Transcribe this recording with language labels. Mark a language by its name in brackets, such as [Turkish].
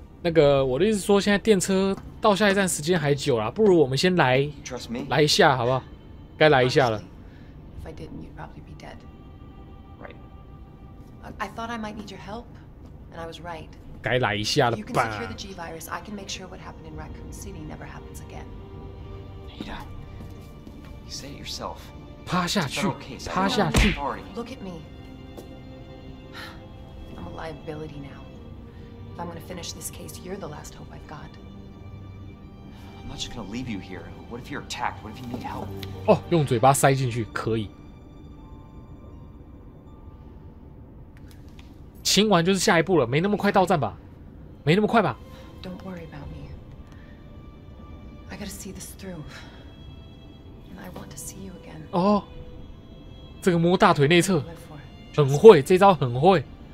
[Chinese] 那个，我的意思说，现在电车到下一站时间还久啦，不如我们先来 [English] ，Trust me， [Chinese] 来一下，好不好？该来一下了。 [English] If I didn't, you'd probably be dead. Right. I thought I might need your help, and I was right. [Chinese] 该来一下了吧。 [English] You can secure the G virus. I can make sure what happened in Raccoon City never happens again. Ada, you say it yourself. [Chinese] 趴下去，趴下去。 [English] Look at me. I'm a liability now. If I'm gonna finish this case, you're the last hope I've got. I'm not just gonna leave you here. What if you're attacked? What if you need help? [Chinese] 哦，用嘴巴塞进去可以。清完就是下一步了，没那么快到站吧？没那么快吧 [English] ？Don't worry about me. I gotta see this through, and I want to see you again. [Chinese] 哦，这个摸大腿内侧，很会，这招很会。